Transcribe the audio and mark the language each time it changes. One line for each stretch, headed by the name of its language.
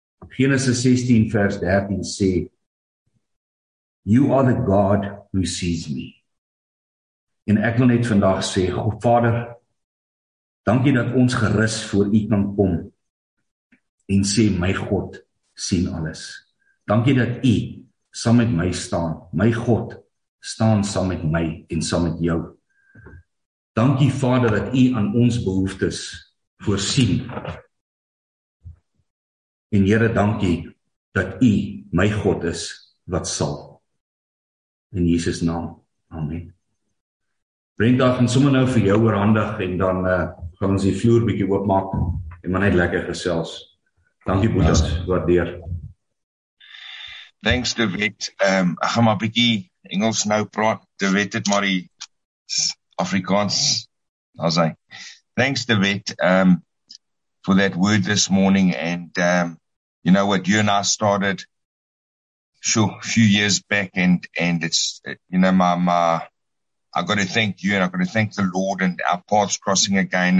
Afrikaans: Genesis 16 vers 13 sê,
English: You are the God who sees me.
Afrikaans: En ek wil net vandag sê, God Vader, dankie dat ons gerus voor U kan kom en sê, my God sien alles. Dankie dat U saam met my staan. My God staan saam met my en saam met jou. Dankie Vader dat U aan ons behoeftes voorsien. En Here, dankie dat U my God is wat sal. In Jesus naam. Amen. Brendag en sommer nou vir jou oorhandig en dan gaan ons die vloer bietjie oopmaak en maar net lekker gesels. Dankie Boetes, waardeer.
English: Thanks De Wet.
Afrikaans: Ek gaan maar bietjie Engels nou praat. De Wet het maar die Afrikaans. As hy.
English: Thanks De Wet for that word this morning. And you know what, you and I started sure a few years back and it's, you know, I got to thank you and I got to thank the Lord and our paths crossing again.